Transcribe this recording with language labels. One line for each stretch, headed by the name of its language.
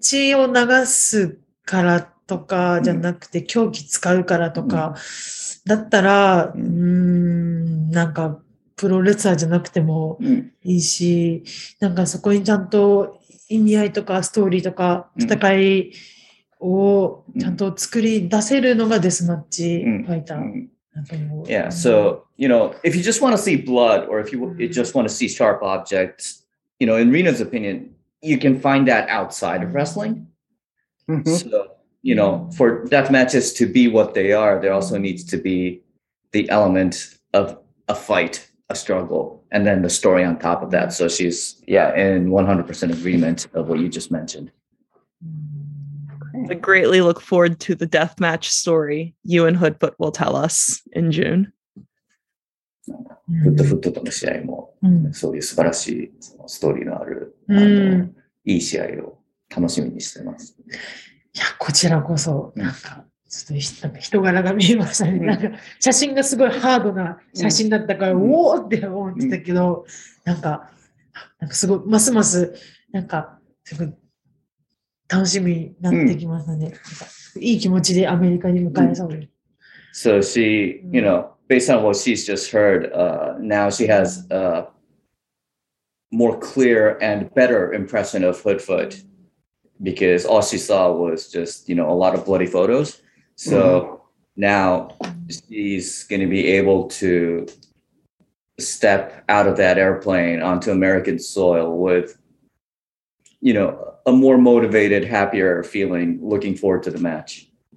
Japanese: 血を流すからとかじゃなくて、凶器使うからとか、だったら、なんか、プロレスラーじゃなくてもいいし、なんかそこにちゃんと意味合いとかストーリーとか戦いをちゃんと作り出せるのがデスマッチファイターなんかも。
English: Yeah, so, you know, if you just want to see blood or if you just want to see sharp objects, you know, in Rina's opinion, you can find that outside of wrestling. So, you know, for death matches to be what they are, there also needs to be the element of a fight. A struggle and then the story on top of that. So she's, yeah, in 100% agreement of what you just mentioned. I greatly look forward to the deathmatch story you and Hoodfoot will tell us in June.
Japanese: Hoodfoot との試合もそういう素晴らしいそのストーリーのある、いい試合を楽しみにしてます。いや、こちらこそ、なんか。ちょっとなんか人柄が見えましたね。なんか写真がすごいハードな写真だったから、おおって思ってたけど、なんかすごい、ますます、なんか、すごい楽しみになってきましたね。いい気持ちでアメリカに向かえそうです。
English: So she, you know, based on what she's just heard, now she has a more clear and better impression of Hoodfoot because all she saw was just, you know, a lot of bloody photos. So now she's going to be able to step out of that airplane onto American soil with, you know, a more motivated, happier feeling, looking forward to the match.